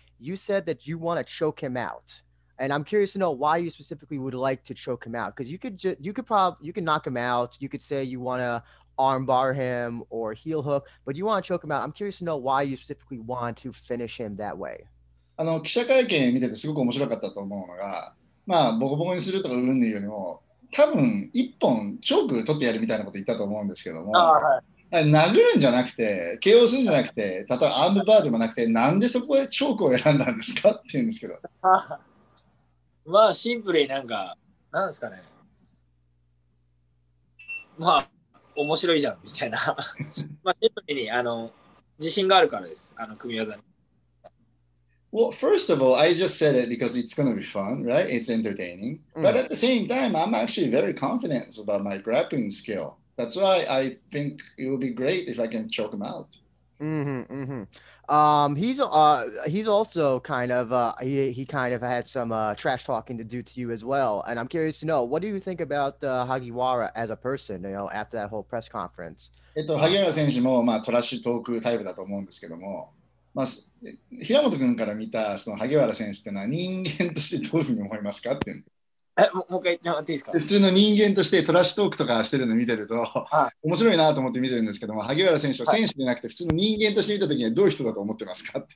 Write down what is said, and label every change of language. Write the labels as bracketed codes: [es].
[en] You said that you want to choke him out. And I'm curious to know why you specifically would like to choke him out. Because you could knock him out. You could say you want to armbar him or heel hook, but you want to choke him out. I'm curious to know why you specifically want to finish him that way. [ja] あの、記者会見見ててすごく面白かったと思うのが、まあ、ボコボコにするとかうんぬんよりも、多分一本チョーク取ってやるみたいなこと言ったと思うんですけども、殴るんじゃなくて、KO するんじゃなくて、例えばアームバーでもなくて、なんでそこでチョークを選んだんですかって言うんですけど。まあ、シンプルになんか、なんですかね。まあ、面白いじゃんみたいな。まあ、シンプルに、あの、自信があるからです、あの、組み技に。 [en] Well, first of all, I just said it because it's going to be fun, right? It's entertaining. Mm. But at the same time, I'm actually very confident about my grappling skill. That's why I think it would be great if I can choke him out. Mm-hmm, mm-hmm. He's also kind of, he kind of had some trash talking to do to you as well. And I'm curious to know, what do you think about Hagiwara as a person, you know, after that whole press conference? [ja] Hagiwara-senshi もトラッシュトークタイプだと思うんですけども、まあ、平本君から見たその萩原選手ってのは人間としてどういうふうに思いますかっていう。もう一回言ってもらっていいですか。普通の人間としてトラッシュトークとかしてるの見てると、はい、面白いなと思って見てるんですけども、萩原選手は選手じゃなくて普通の人間として見た時にはどういう人だと思ってますかって。